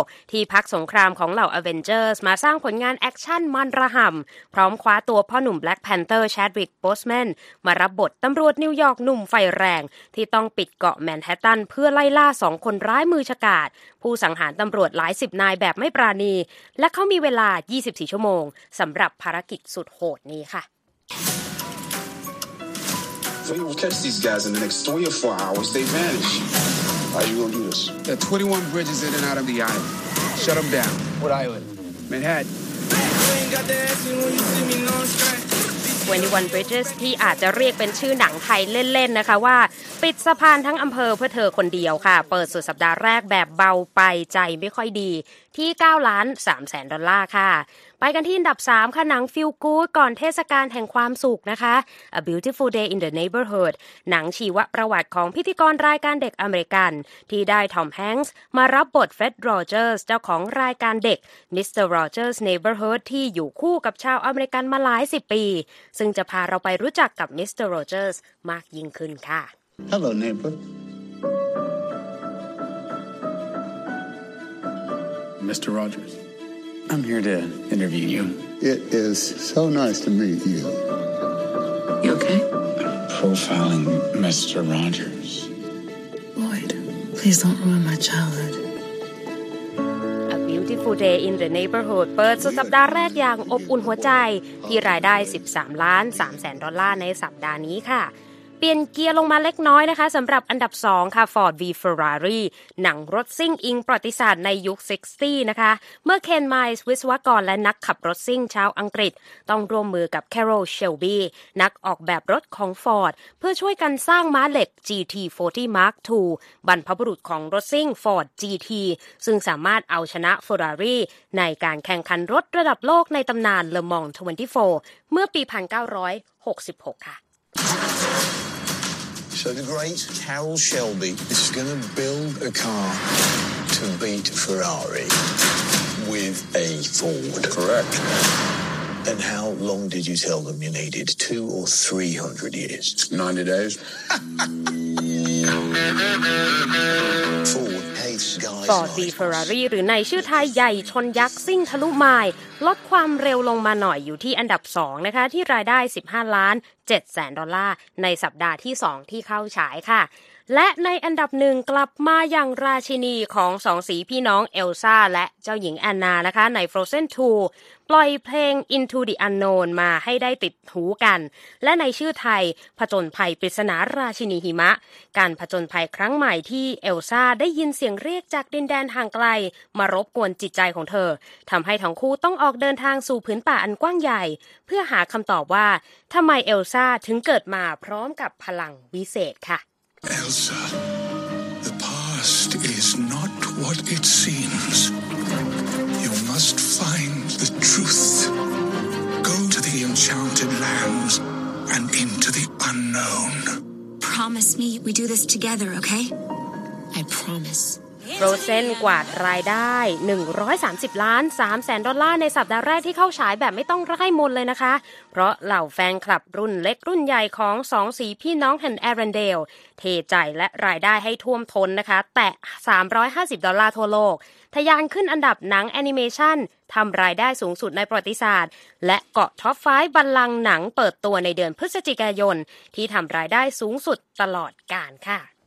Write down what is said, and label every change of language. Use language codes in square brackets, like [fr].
[th] ที่พักสงครามของเหล่า Avengers มาสร้างผลงานแอคชั่นมันระห่ำพร้อมคว้าตัวพ่อหนุ่ม Black Panther Chadwick Boseman มารับบทตำรวจนิวยอร์กหนุ่มไฟแรงที่ต้องปิดเกาะแมนฮัตตันเพื่อไล่ล่า2คนร้ายมือฉกาจผู้สังหารตำรวจหลายสิบนายแบบไม่ปราณีและเขามีเวลา24ชั่วโมงสำหรับภารกิจสุดโหดนี้ค่ะ [en] We will catch these guys in the next 24 hours. They vanish. How are you going to do this? There are 21 bridges in and out of the island. Shut them down. What island? Manhattan. [th] 21 Bridges ที่อาจจะเรียกเป็นชื่อหนังไทยเล่นๆนะคะว่าปิดสะพานทั้งอำเภอเพื่อเธอคนเดียวค่ะเปิดสุดสัปดาห์แรกแบบเบาไปใจไม่ค่อยดีที่$9,300,000ค่ะไปกันที่อันดับ3ค่ะหนัง Feel Good ก่อนเทศกาลแห่งความสุขนะคะ A Beautiful Day in the Neighborhood หนังชีวประวัติของพิธีกรรายการเด็กอเมริกันที่ได้ทอมแฮงส์มารับบทเฟรดโรเจอร์สเจ้าของรายการเด็ก Mr. Rogers Neighborhood ที่อยู่คู่กับชาวอเมริกันมาหลาย10ปีซึ่งจะพาเราไปรู้จักกับ Mr. Rogers มากยิ่งขึ้นค่ะ [en] Hello neighbor [th] Mr. [en] Rogers I'm here to interview you. It is so nice to meet you. You okay? Profiling Mr. Rogers. Lloyd, please don't ruin my childhood. [th] Beautiful Day in the Neighborhood เปิดสุดสัปดาห์แรกอย่างอบอุ่นหัวใจที่รายได้$13,300,000ในสัปดาห์นี้ค่ะเปลี่ยนเกียร์ลงมาเล็กน้อยนะคะสำหรับอันดับ2ค่ะ Ford v Ferrari หนังรถซิ่งอิงประวัติศาสตร์ในยุค60นะคะเมื่อ Ken Miles วิศวกรและนักขับรถซิ่งชาวอังกฤษต้องร่วมมือกับ Carroll Shelby นักออกแบบรถของ Ford เพื่อช่วยกันสร้างม้าเหล็ก GT40 Mark II บรรพบุรุษของรถซิ่ง Ford GT ซึ่งสามารถเอาชนะ Ferrari ในการแข่งขันรถระดับโลกในตำนาน Le Mans 24เมื่อปี1966ค่ะ [en] So the great Carroll Shelby is going to build a car to beat Ferrari with a Ford. Correct. And how long did you tell them you needed? 200 or 300 years? 90 days. Ford. [th] Ford v Ferrari หรือในชื่อไทยใหญ่ชนยักษ์ซิ่งทะลุไมล์ลดความเร็วลงมาหน่อยอยู่ที่อันดับ2นะคะที่รายได้15,700,000ดอลลาร์ในสัปดาห์ที่2ที่เข้าฉายค่ะ และในอันดับหนึ่งกลับมาอย่างราชินีของสองสีพี่น้องเอลซ่าและเจ้าหญิงแอนนานะคะใน Frozen 2ปล่อยเพลง Into the Unknown มาให้ได้ติดหูกันและในชื่อไทยผจญภัยปริศนาราชินีหิมะการผจญภัยครั้งใหม่ที่เอลซ่าได้ยินเสียงเรียกจากดินแดนห่างไกลมารบกวนจิตใจของเธอทำให้ทั้งคู่ต้องออกเดินทางสู่พื้นป่าอันกว้างใหญ่เพื่อหาคำตอบว่าทำไมเอลซ่าถึงเกิดมาพร้อมกับพลังวิเศษค่ะ [en] Elsa, the past is not what it seems. You must find the truth. Go to the enchanted lands and into the unknown. Promise me we do this together, okay? I promise. [th] Frozen กวาดรายได้130,300,000 ดอลลาร์ในสัปดาห์แรกที่เข้าฉายแบบไม่ต้องร่ายมนต์เลยนะคะเพราะเหล่าแฟนคลับรุ่นเล็กรุ่นใหญ่ของ2สีพี่น้องแห่งแอรันเดลเทใจและรายได้ให้ท่วมท้นนะคะแตะ350 ดอลลาร์ทั่วโลกทะยานขึ้นอันดับหนังแอนิเมชันทำรายได้สูงสุดในประวัติศาสตร์และเกาะท็อป5บัลลังก์หนังเปิดตัวในเดือนพฤศจิกายนที่ทำรายได้สูงสุดตลอดกาลค่ะ